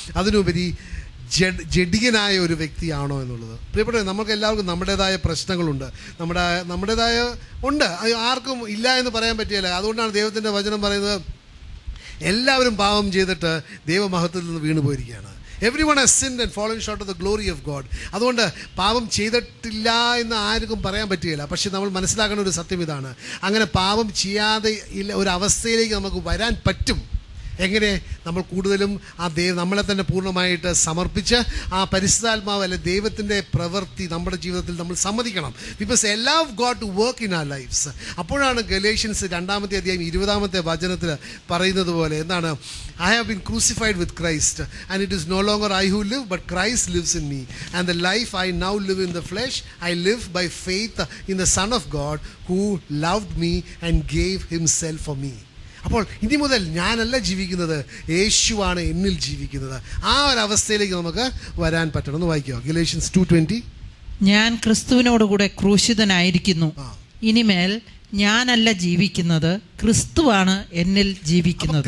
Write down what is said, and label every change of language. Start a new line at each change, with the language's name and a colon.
Malayalam: അതിനുപരി ജഡികനായ ഒരു വ്യക്തിയാണോ എന്നുള്ളത്? പ്രിയപ്പെട്ട, നമുക്ക് എല്ലാവർക്കും നമ്മുടേതായ പ്രശ്നങ്ങളുണ്ട്, നമ്മുടേതായ ഉണ്ട്, ആർക്കും ഇല്ല എന്ന് പറയാൻ പറ്റിയല്ല. അതുകൊണ്ടാണ് ദൈവത്തിൻ്റെ വചനം പറയുന്നത് എല്ലാവരും പാപം ചെയ്തിട്ട് ദൈവമഹത്വത്തിൽ നിന്ന് വീണ് പോയിരിക്കുകയാണ്.
English: Everyone has sinned and fallen short of the glory of God.
Malayalam: അതുകൊണ്ട് പാപം ചെയ്തിട്ടില്ല എന്ന് ആർക്കും പറയാൻ പറ്റുകയില്ല. പക്ഷേ നമ്മൾ മനസ്സിലാക്കേണ്ട ഒരു സത്യം ഇതാണ്, അങ്ങനെ പാപം ചെയ്യാതെ ഇല്ല ഒരു അവസ്ഥയിലേക്ക് നമുക്ക് വരാൻ പറ്റും. എങ്ങനെ? നമ്മൾ കൂടുതലും ആ ദൈവം നമ്മളെ തന്നെ പൂർണ്ണമായിട്ട് സമർപ്പിച്ച് ആ പരിശുദ്ധാത്മാവ് അല്ലെ ദൈവത്തിൻ്റെ പ്രവൃത്തി നമ്മുടെ ജീവിതത്തിൽ നമ്മൾ സമ്മതിക്കണം.
English: Because എല്ലാ God to work in our lives.
Malayalam: അപ്പോഴാണ് ഗലേഷ്യൻസ് 2:20 വചനത്തിൽ പറയുന്നത് പോലെ, എന്താണ്?
English: I have been crucified with Christ and it is no longer I who live but Christ lives in me and the life I now live in the flesh I live by faith in the Son of God who loved me and gave himself for me.
Malayalam: അപ്പോൾ ഇനി മുതൽ ഞാനല്ല ജീവിക്കുന്നത്, യേശുവാണ് എന്നിൽ ജീവിക്കുന്നത്. ആ ഒരു അവസ്ഥയിലേക്ക് നമുക്ക് വരാൻ പറ്റണം എന്ന് വായിക്കോ. ഗലേഷ്യൻസ് 2:20, ഞാൻ ക്രിസ്തുവിനോടുകൂടെ ക്രൂശിതനായിരിക്കുന്നു, ഇനിമേൽ ഞാനല്ല ജീവിക്കുന്നത്, ക്രിസ്തുവാണ് എന്നിൽ ജീവിക്കുന്നത്.